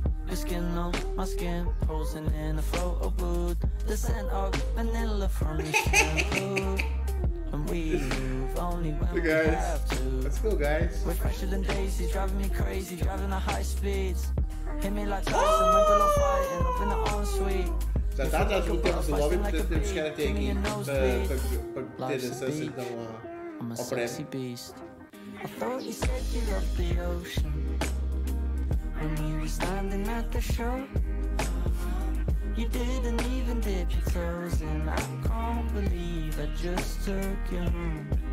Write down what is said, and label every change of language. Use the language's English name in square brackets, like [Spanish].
[English] Your skin on my skin, posing in a photo booth. The scent of vanilla from your shampoo. And we move only when we have to. Let's go, guys. We're fresher than Daisy, driving me crazy, driving at high speeds. Hit me like Tyson, my girl on fire, and up in the ensuite. [Portuguese] Já tá, já juntamos o lobby, porque temos que até aqui pra ter acesso então ao prêmio. [English] I'm a sexy beast. I thought you said you loved the ocean. When we were standing at the shore, You didn't even dip your toes in. I can't believe I just took you home.